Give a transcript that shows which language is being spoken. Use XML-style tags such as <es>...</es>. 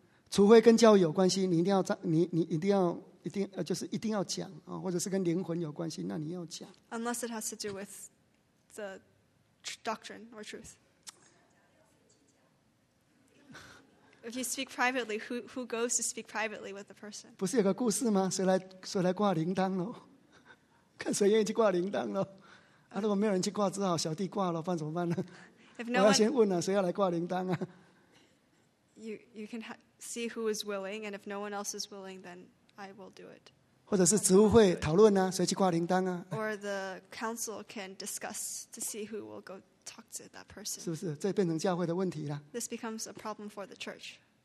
<zh>除非跟教育有关系，你一定要就是一定要讲啊，或者是跟灵魂有关系，那你要讲。</zh> <en>Unless it has to do with the doctrine or truth. If you speak privately, who goes to speak privately with the person?</en> <zh>不是有个故事吗？谁来挂铃铛喽？看谁愿意去挂铃铛喽？啊，如果没有人去挂，只好小弟挂了，不然怎么办呢？</zh> <en>If no one,</en> <zh>我要先问了，谁要来挂铃铛啊？</zh> <en>You can see who is willing, and if no one else is willing, then I will do it.</en> <zh>或者是职务会讨论啊，谁去挂铃铛啊？</zh> <en>Or the council can discuss to see who will go talk to that person.</en> <zh>是不是？这变成教会的问题了。</zh> <en>This becomes a problem for the church.</en>